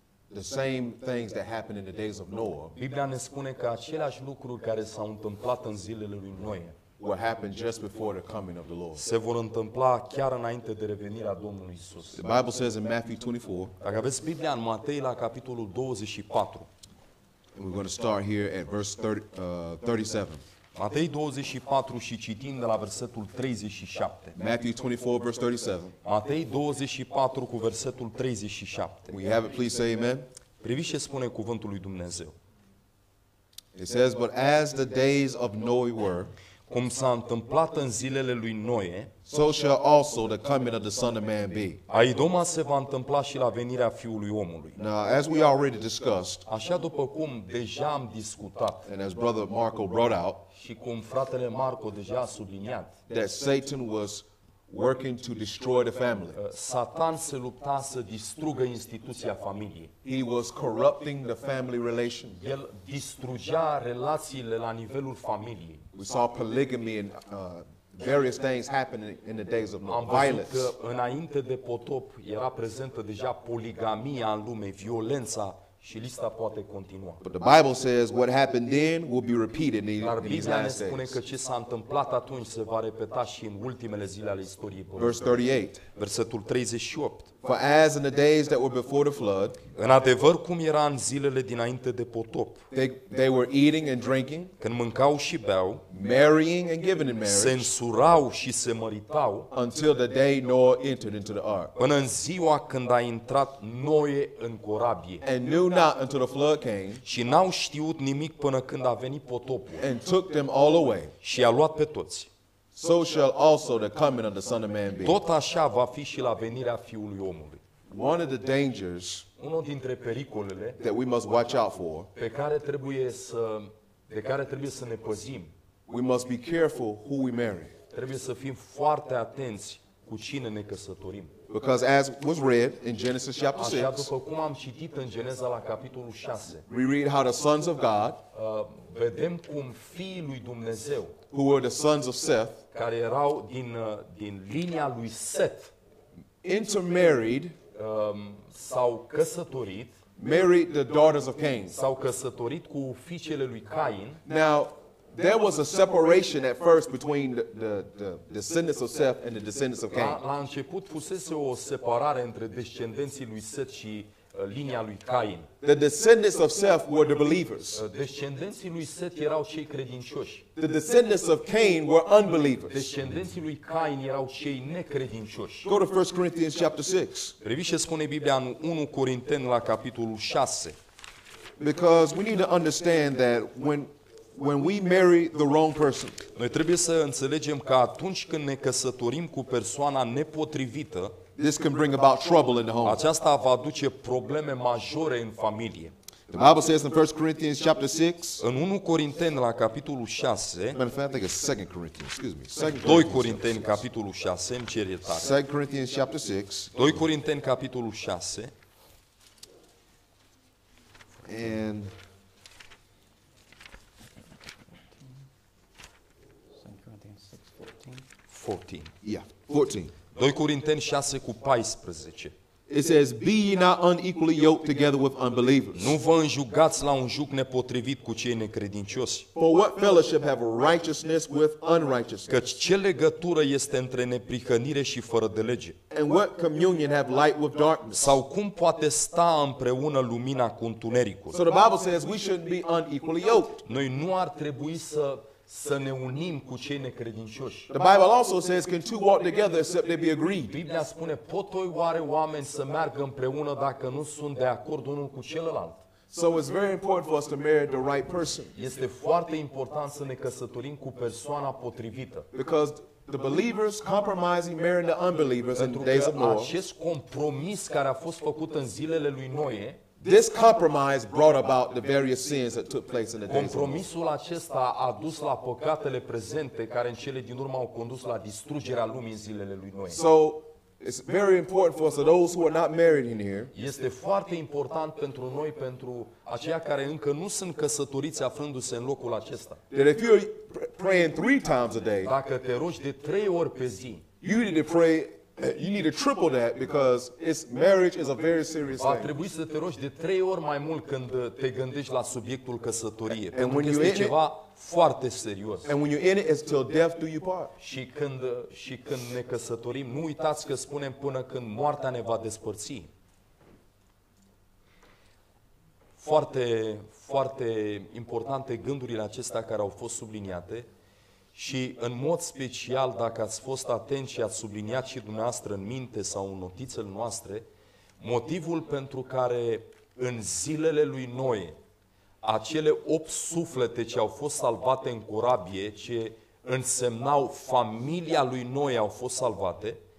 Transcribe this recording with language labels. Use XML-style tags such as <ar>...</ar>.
<en>the same things that happened in the days of Noah.</en> <ro>Biblia ne spune că aceleași lucruri care s-au întâmplat în zilele lui Noe</ro> <en>will happen just before the coming of the Lord.</en> <ro>Se vor întâmpla chiar înainte de revenirea Domnului Isus.</ro> <en>The Bible says in Matthew 24.</en> <ro>Dacă aveți Biblia în Matei la capitolul 24.</ro> <en>We're going to start here at verse 37.</en> <ro>Matei 24 și citim de la versetul 37.</ro> <en>Matthew 24 verse 37.</en> <ro>Matei 24 cu versetul 37.</ro> <en>We have it, please say amen.</en> <ro>Priviți ce spune cuvântul lui Dumnezeu.</ro> <en>It says, but as the days of Noah were,</en> <ro>cum s-a întâmplat în zilele lui Noe,</ro> <en>so shall also the coming of the Son of Man be.</en> <ro>Aidoma se va întâmpla și la venirea Fiului Omului.</ro> <en>Now, as we already discussed,</en> <ro>așa după cum deja am discutat,</ro> <en>and as Brother Marco brought out,</en> <ro>și cum fratele Marco deja a subliniat,</ro> <en>that Satan was working to destroy the family.</en> <ro>Satan se lupta să distrugă instituția familiei.</ro> <en>He was corrupting the family relation.</en> <ro>El distrugea relațiile la nivelul familiei.</ro> <en>We saw polygamy and various things happening in the days of</en> <ro>violence. Am văzut că înainte de potop era prezentă deja poligamia în lume, violența. Și lista poate continua.</ro> <en>But the Bible says what happened then will be repeated in the last days.</en> <ro>Dar Biblia ne spune că ce s-a întâmplat atunci se va repeta și în ultimele zile ale istoriei.</ro> <en>Verse 38.</en> <ro>Versetul 38.</ro> <en>For as in the days that were before the flood,</en> <ro>în adevăr cum era în zilele dinainte de potop,</ro> <en>they were eating and drinking,</en> <ro>când mâncau și beau,</ro> <en>marrying and giving in marriage,</en> <ro>se însurau și se măritau,</ro> <en>until the day Noah entered into the ark,</en> <ro>până în ziua când a intrat Noe în corabie,</ro> <en>and knew not until the flood came,</en> <ro>și n-au știut nimic până când a venit potopul,</ro> <en>and took them all away,</en> <ro>și i-a luat pe toți.</ro> <en>So shall also the coming of the Son of Man be.</en> <ro>Tot așa va fi și la venirea Fiului Omului.</ro> <en>One of the dangers,</en> <ro>unul dintre pericolele,</ro> <en>that we must watch out for,</en> <ro>pe care trebuie să, de care trebuie să ne păzim,</ro> <en>we must be careful who we marry.</en> <ro>Trebuie să fim foarte atenți cu cine ne căsătorim.</ro> <en>Because as was read in Genesis chapter 6,</en> <ro>așa după cum am citit în Geneza la capitolul 6,</ro> <en>we read how the sons of God,</en> <ro>vedem cum fiii lui Dumnezeu,</ro> <en>who were the sons of Seth,</en> <ro>care erau din linia lui Seth,</ro> <en>intermarried,</en> <ro>s-au căsătorit,</ro> <en>married the daughters of Cain,</en> <ro>s-au căsătorit cu fiicele lui Cain.</ro> <en>Now, there was a separation at first between the descendants of Seth and the descendants of Cain.</en> <ro>La început fusese o separare între descendenții lui Seth și linia lui Cain.</ro> <en>The descendants of Seth were the believers.</en> <ro>Descendenții lui Seth erau cei credincioși.</ro> <en>The descendants of Cain were unbelievers.</en> <ro>Descendenții lui Cain erau cei necredincioși.</ro> <en>Go to 1 Corinthians chapter 6.</en> <ro>Priviți ce spune Biblia în 1 Corinteni la capitolul 6.</ro> <en>Because we need to understand that when we marry the wrong person.</en> <ro>Noi trebuie să înțelegem că atunci când ne căsătorim cu persoana nepotrivită,</ro> <en>this can bring about trouble in the home.</en> <ro>Aceasta va aduce probleme majore în familie.</ro> <en>The Bible says in 1 Corinthians chapter 6.</en> <ro>În 1 Corinteni la capitolul 6.</ro> <en>Matter of fact, I think it's 2 Corinthians, excuse me.</en> <ro>2 Corinteni capitolul 6, îmi cer iertare.</ro> <en>2 Corinthians chapter 6.</en> <ro>2 Corinteni capitolul 6.</ro> <en>And Yeah, 14.</en> <ro>2 Corinteni 6 cu 14.</ro> <en>It says, be ye not unequally yoked together with unbelievers.</en> <ro>Nu vă înjugați la un juc nepotrivit cu cei necredincioși.</ro> <en>For what fellowship have righteousness with unrighteousness?</en> <ro>Căci ce legătură este între neprihănire și fără de lege?</ro> <en>And what communion have light with darkness?</en> <ro>Sau cum poate sta împreună lumina cu întunericul?</ro> <en>So the Bible says we shouldn't be unequally yoked.</en> <ro>Noi nu ar trebui să ne unim cu cei necredincioși.</ro> <en>The Bible also says, can two walk together except they be agreed?</en> <ro>Biblia spune, pot oare oameni să meargă împreună dacă nu sunt de acord unul cu celălalt?</ro> <en>So it's very important for us to marry the right person.</en> <ro>Este foarte important să ne căsătorim cu persoana potrivită.</ro> <en>Because the believers compromising marrying the unbelievers in the days of Noah.</en> <ro>Acest compromis care a fost făcut în zilele lui Noe.</ro> <en>This compromise brought about the various sins that took place in the days.</en> <ro>Compromisul acesta a dus la păcatele prezente care în cele din urmă au condus la distrugerea lumii în zilele lui Noe.</ro> <en>So it's very important for us, so those who are not married in here.</en> <ro>Este foarte important pentru noi, pentru aceia care încă nu sunt căsătoriți aflându-se în locul acesta.</ro> <en>That if you're praying three times a day.</en> <ro>Dacă te rogi de 3 ori pe zi.</ro> <en>You need to pray You need to triple that because it's marriage is a very serious thing.</en> <ro>Va trebui să te rogi de 3 ori mai mult când te gândești la subiectul căsătoriei, pentru că este ceva foarte serios.</ro> <en>And when you're in it, it's till death do you part.</en> <ro>Și când ne căsătorim, nu uitați că spunem până când moartea ne va despărți. Foarte, foarte importante gândurile acestea care au fost subliniate. Și în mod special, dacă ați fost atenți și ați subliniat și dumneavoastră în minte sau în notițele noastre, motivul pentru care în zilele lui Noe, acele 8 suflete ce au fost salvate în corabie, ce însemnau familia lui Noe au fost salvate,</ro>